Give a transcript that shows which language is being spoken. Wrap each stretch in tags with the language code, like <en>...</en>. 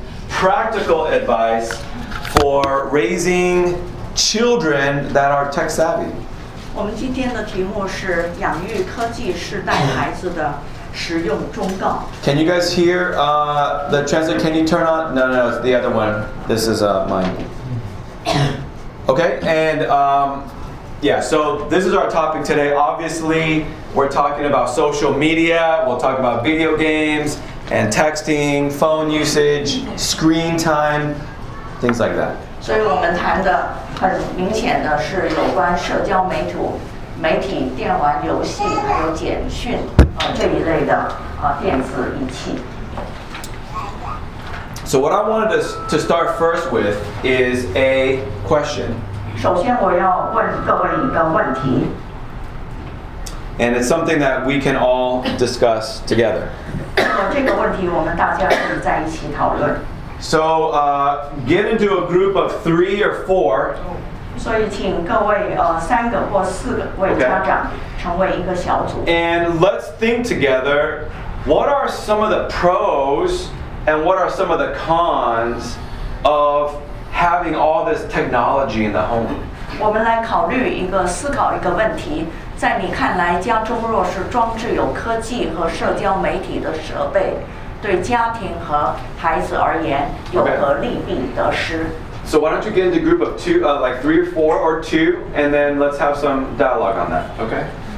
<en>practical advice for raising children that are tech savvy.</en> <zh>我们今天的题目是养育科技时代孩子的实用忠告。</zh> <en>Can you guys hear the translator? Can you turn on? No, it's the other one. This is mine. Okay, and so this is our topic today. Obviously, we're talking about social media. We'll talk about video games and texting, phone usage, screen time, things like that.</en> <zh>所以我们谈的很明显的是有关社交媒体、电玩游戏还有简讯这一类的电子仪器。</zh> <en>So what I wanted to start first with is a question.</en> <zh>首先我要问各位一个问题。</zh> <en>And it's something that we can all discuss together.</en> <zh>这个问题我们大家可以在一起讨论。</zh> <en>So get into a group of three or four.</en> <zh>所以请各位三个或四个位家长成为一个小组。</zh> <en>And let's think together, what are some of the pros and what are some of the cons of having all this technology in the home?</en> <zh>我们来考虑一个思考一个问题，在你看来家中若是装置有科技和社交媒体的设备，对家庭和孩子而言有何利弊得失。</zh> <en>So why don't you get into group of two, like three or four or two, and then let's have some dialogue on that, okay?</en>